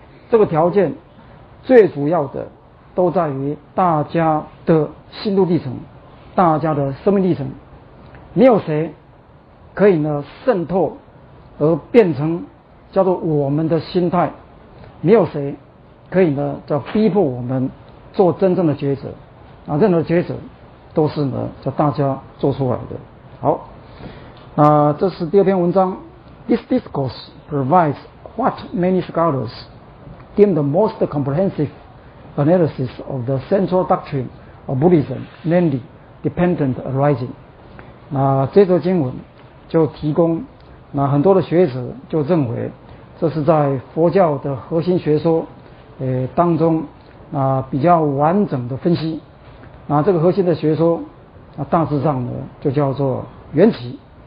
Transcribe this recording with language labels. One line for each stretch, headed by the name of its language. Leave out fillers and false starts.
Chinese: 这个条件最主要的都在于大家的心路历程，大家的生命历程，没有谁可以呢渗透而变成叫做我们的心态，没有谁可以呢叫逼迫我们做真正的抉择啊，任何抉择都是呢叫大家做出来的。好，那这是第二篇文章。
English: This discourse provides what many scholars deem the most comprehensive analysis of the central doctrine of Buddhism, namely dependent arising.
Chinese: 那这则经文就提供，那很多的学者就认为，这是在佛教的核心学说，当中那比较完整的分析。那这个核心的学说，那大致上呢就叫做缘起。